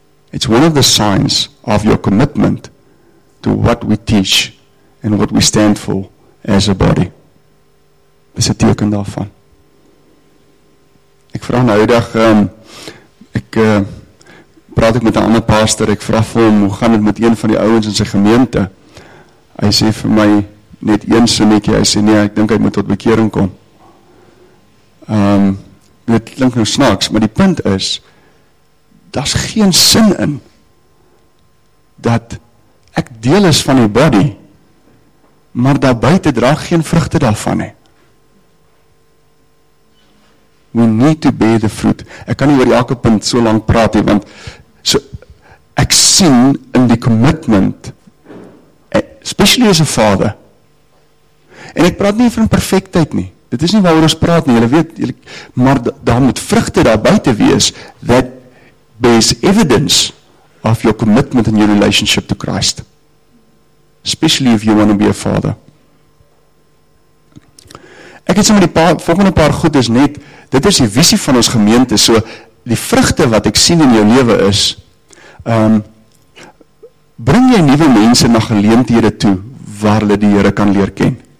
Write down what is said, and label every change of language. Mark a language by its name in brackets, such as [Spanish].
[English] It's one of the signs of your commitment to what we teach and what we stand for as a body. [Afrikaans] Dis 'n teken daarvan. Ek vra nou eendag praat ek met 'n ander pastor, ek vra vir hom, hoe gaan dit met een van die ouens in sy gemeente? Hy sê vir my net een sinnetjie, hy sê nee, ek dink hy moet tot bekering kom. Dit klink nou snaaks, maar die punt is, daar's geen sin in dat ek deel is van die body, maar daar buite dra geen vrugte daarvan nie. [English] We need to bear the fruit. [Afrikaans] Ek kan nie oor elke punt so lank praat nie, want so, ek sien in die commitment, [English] especially as a father, [Afrikaans] en ek praat nie van perfektheid nie, dit is nie waar ons praat nie, julle weet, maar daar moet vrugte daar buite wees, [English] that bears evidence of your commitment in your relationship to Christ. Especially if you want to be a father. [Afrikaans] Ek het sommer die volgende paar goed is net, dit is die visie van ons gemeente, so die vrugte wat ek sien in jou lewe is, bring jy nuwe mense na geleenthede toe, waar hulle die Here kan leer ken.